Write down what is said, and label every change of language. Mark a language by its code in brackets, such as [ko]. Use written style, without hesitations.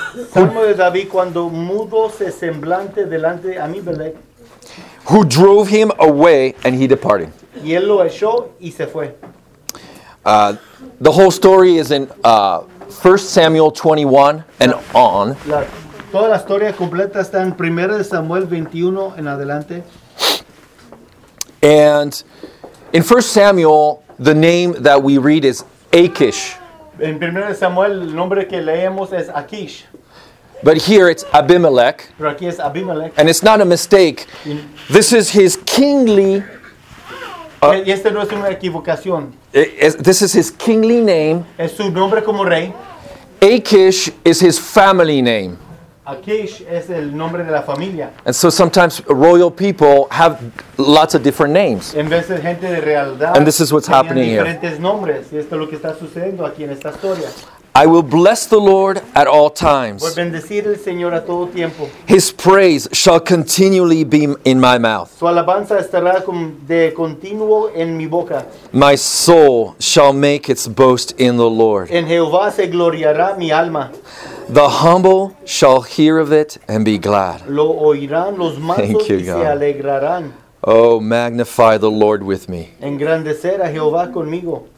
[es] Salmo de David cuando mudó su semblante delante de Abimelech. [en] Who drove him away and he departed. [es] Y él lo echó y se fue. [en] The whole story is in 1 Samuel 21 and on. [es] Toda la historia completa está en 1 Samuel 21 en adelante. [en] And in 1 Samuel, the name that we read is Achish. [es] En 1 Samuel, el nombre que leemos es Achish. [en] But here it's Abimelech. [es] Pero aquí es Abimelech. [en] And it's not a mistake. This is his kingly... [es] Y este no es una equivocación. [en] This is his kingly name. [es] Es su nombre como rey. [en] Achish is his family name. [es] Achish es el nombre de la familia. [en] And so sometimes royal people have lots of different names. [es] En vez de gente de realidad, [en] and this is what's happening here. [es] Diferentes nombres. Y esto es lo que está sucediendo aquí en esta historia. [en] I will bless the Lord at all times. [es] Voy a bendecir al Señor a todo tiempo. [en] His praise shall continually be in my mouth. [es] Su alabanza estará de continuo en mi boca. [en] My soul shall make its boast in the Lord. [es] En Jehová se gloriará mi alma. [en] The humble shall hear of it and be glad. [es] Lo oirán los mansos. [en] Thank you, [es] y [en] God. [es] Se alegrarán. [en] Oh, magnify the Lord with me. [es] Engrandecer a Jehová conmigo.